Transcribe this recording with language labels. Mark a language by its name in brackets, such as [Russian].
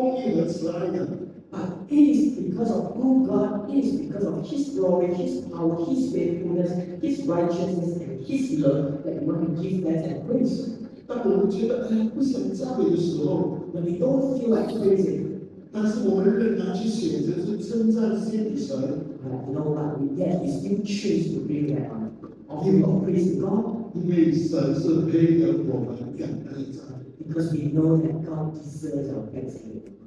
[English] But it is because of who God is, because of His glory, His power, His faithfulness, His righteousness, and His love that we want to give thanks and praise. [Chinese] 当我们觉得哎不想赞美的时候 [English] ，when we don't feel like praising， [Chinese] 但是我们仍然去选择去称赞、赞美神。 [English] But you know what? We still choose to bring that on. Giving all praise to God. [Chinese] 因为神是配得我们感恩的。 [English] Because we know that God deserves our thanksgiving.